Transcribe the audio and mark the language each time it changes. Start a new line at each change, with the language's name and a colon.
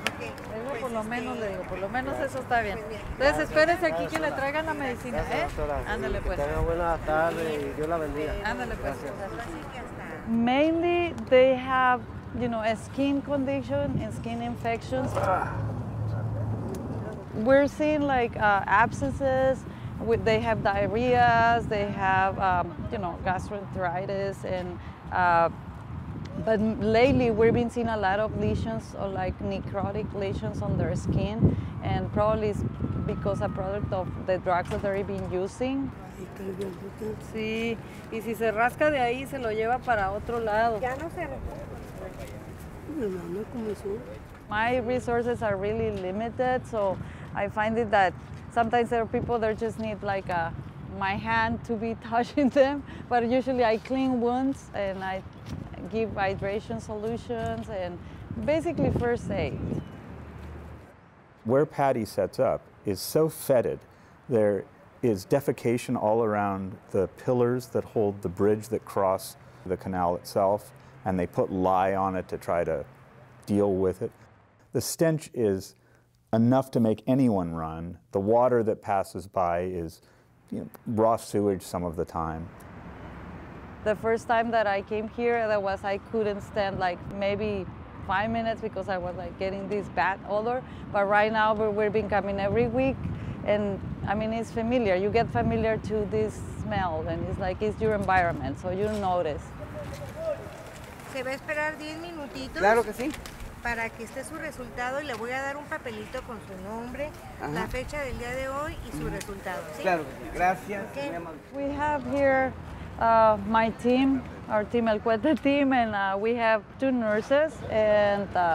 Spanish: Eso por lo menos le digo, por lo menos eso está bien. Entonces espérese aquí que le traigan la medicina, ¿eh? Ándale pues. Que tenga buena tarde y Dios la bendiga. Ándale pues.
English: Mainly they have, you know, a skin condition and skin infections. We're seeing like abscesses. They have diarrhea. They have, you know, gastroenteritis. And but lately we've been seeing a lot of lesions, or like necrotic lesions on their skin, and probably it's because a product of the drugs that they've been using.
Spanish: Sí, y si se rasca de ahí, se lo lleva para otro lado. Ya no se recuerda.
English: My resources are really limited, so I find it that sometimes there are people that just need like my hand to be touching them, but usually I clean wounds and I give hydration solutions and basically first aid. Where Patty sets up is so fetid, there is defecation all around the pillars that hold the bridge that cross the canal itself, and they put lye on it to try to deal with it. The stench is enough to make anyone run. The water that passes by is, you know, raw sewage some of the time. The first time that I came here, that was, I couldn't stand like maybe 5 minutes because I was like getting this bad odor. But right now we've been coming every week. And I mean, it's familiar. You get familiar to this smell, and it's like it's your environment, so you notice.
Spanish: Se va a esperar 10 minutitos. Claro que sí. Para que esté su resultado, y le voy a dar un papelito con su nombre, la fecha del día de hoy y su resultado. ¿Sí? Claro que sí. Gracias. Okay.
English: We have here my team, our team, El Cuete team, and we have two nurses and.